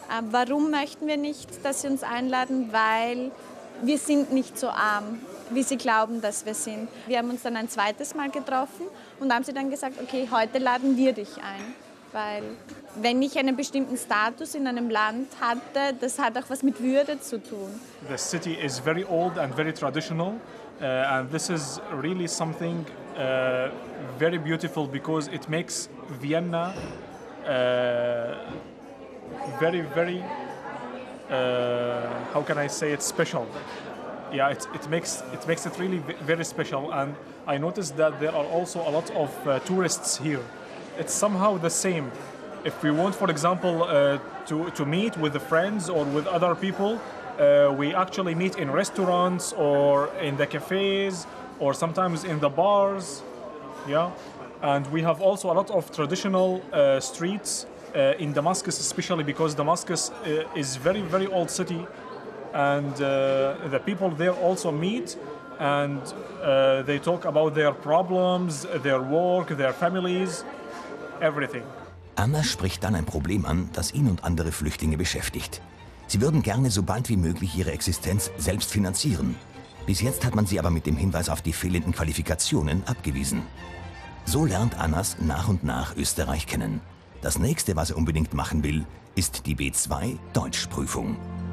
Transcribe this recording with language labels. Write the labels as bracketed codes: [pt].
[de] Warum möchten wir nicht, dass sie uns einladen? Weil wir sind nicht so arm, wie sie glauben, dass wir sind. Wir haben uns dann ein zweites Mal getroffen und haben sie dann gesagt, okay, heute laden wir dich ein. Weil wenn ich einen bestimmten Status in einem Land hatte, das hat auch was mit Würde zu tun. [en] The city is very old and very traditional. And this is really something very beautiful because it makes Vienna very, very, how can I say it, special. Yeah, it makes it really very special. And I noticed that there are also a lot of tourists here. It's somehow the same. If we want, for example, to meet with the friends or with other people, we actually meet in restaurants or in the cafes or sometimes in the bars, yeah. And we have also a lot of traditional streets in Damascus, especially because Damascus is very, very old city, and the people there also meet, and they talk about their problems, their work, their families, everything. [de] Anna spricht dann ein Problem an, das ihn und andere Flüchtlinge beschäftigt. Sie würden gerne so bald wie möglich ihre Existenz selbst finanzieren. Bis jetzt hat man sie aber mit dem Hinweis auf die fehlenden Qualifikationen abgewiesen. So lernt Annas nach und nach Österreich kennen. Das nächste, was er unbedingt machen will, ist die B2-Deutschprüfung.